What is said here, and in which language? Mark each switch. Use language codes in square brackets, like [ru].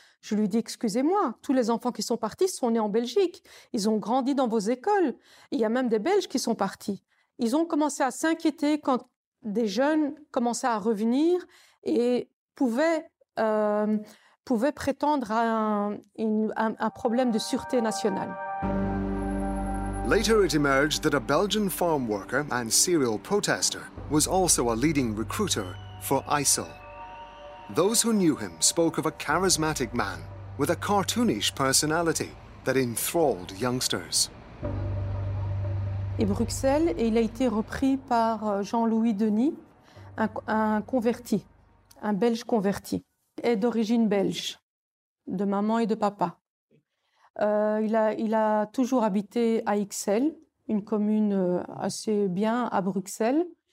[fr] Je lui ai dit, excusez-moi, tous les enfants qui sont partis sont nés en Belgique, ils ont grandi dans vos écoles, il y a même des Belges qui sont partis. Ils ont commencé à s'inquiéter quand des jeunes commençaient à revenir et pouvaient prétendre à un problème de sûreté nationale. [en] Later it emerged that a Belgian farm worker and serial protester was also a leading recruiter for ISIL. Those who knew him spoke of a charismatic man with a cartoonish personality that enthralled youngsters. [fr] Et Bruxelles, et il a été repris par Jean-Louis Denis, un converti, un Belge converti, et d'origine belge, de maman et de papa. Il a toujours habité à Ixelles, une commune assez bien à Bruxelles.